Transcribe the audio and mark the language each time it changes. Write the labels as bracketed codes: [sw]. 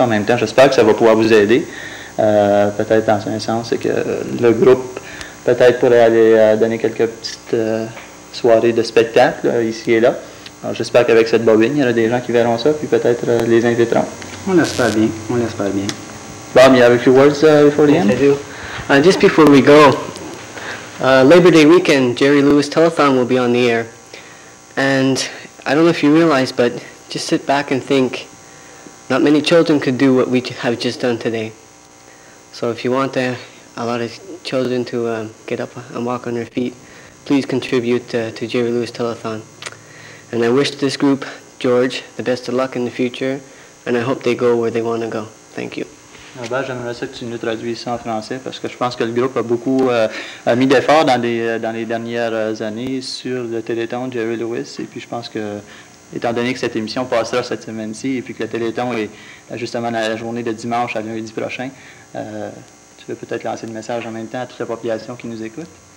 [fr] En même temps, j'espère que ça va pouvoir vous aider, peut-être dans un sens, c'est que le groupe peut-être pourrait aller donner quelques petites soirées de spectacle, ici et là. Alors, j'espère qu'avec cette bobine, il y aura des gens qui verront ça, puis peut-être les inviteront. On l'espère bien. [en] Bob, you have a few words before the yes, end? Yes, I do. Just before we go, Labor Day weekend, Gerry Lewis Telethon will be on the air. And I don't know if you realize, but just sit back and think, not many children could do what we have just done today. So if you want a lot of children to get up and walk on their feet, please contribute to Gerry Lewis Telethon. And I wish this group, George, the best of luck in the future, and I hope they go where they want to go. Thank you. [fr] Robert, j'aimerais ça que tu nous traduises ça en français, parce que je pense que le groupe a beaucoup a mis d'efforts dans les dernières années sur le Téléthon de Gerry Lewis, et puis je pense que, étant donné que cette émission passera cette semaine-ci, et puis que le Téléthon est justement dans la journée de dimanche à lundi prochain, tu veux peut-être lancer le message en même temps à toute la population qui nous écoute?